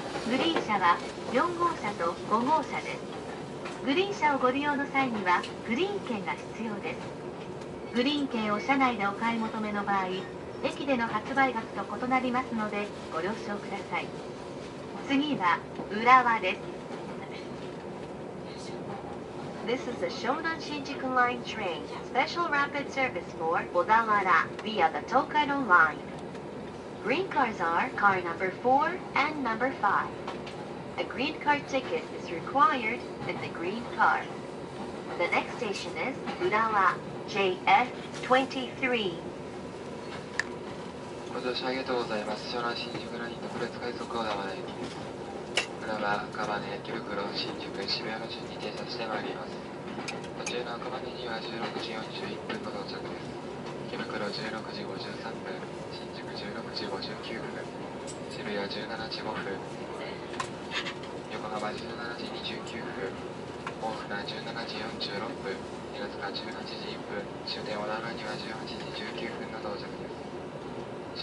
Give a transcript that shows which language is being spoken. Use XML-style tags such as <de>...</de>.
<ja>グリーン車は4号車と5号車です。グリーン車をご利用の際にはグリーン券が必要です。グリーン券を車内でお買い求めの場合、駅での発売額と異なりますのでご了承ください。次は浦和です。</ja> <en>This is the Shonan Shinjuku Line train, special rapid service for Odawara via the Tokaido Line. Green cars are car number 4 and number 5. A green car ticket is required in the green car. The next station is Urawa JF23.</en> <ja>ご乗車ありがとうございます。湘南新宿ライン特別快速小田原駅です。浦和、赤羽、池袋、新宿、渋谷の順に停車してまいります。途中の赤羽には16時41分の到着です。池袋16時53分、新宿16時59分、渋谷17時5分、横浜17時29分、大船17時46分、平塚18時1分、終点小田原には18時19分の到着です。</ja>